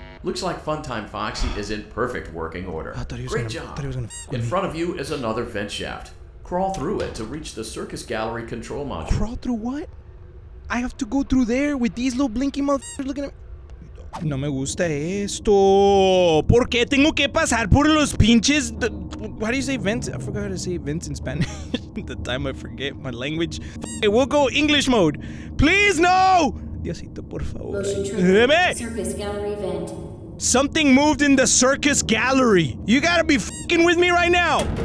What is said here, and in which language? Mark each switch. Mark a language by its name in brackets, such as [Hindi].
[English] Looks like Funtime Foxy is in perfect working order. I thought he was gonna... In front of you is another vent shaft. Crawl through it to reach the circus gallery control module. Crawl through what? I have to go through there with these little blinky motherfuckers looking at me. [Spanish] No me gusta esto. ¿Por qué tengo que pasar por los pinches? [English] How do you say vents? I forgot how to say vents in Spanish. The time I forget my language. Okay, we'll go English mode. Please, no! [Spanish] Diosito, por favor. [English] Circus gallery vent. Something moved in the circus gallery. You gotta be fucking with me right now.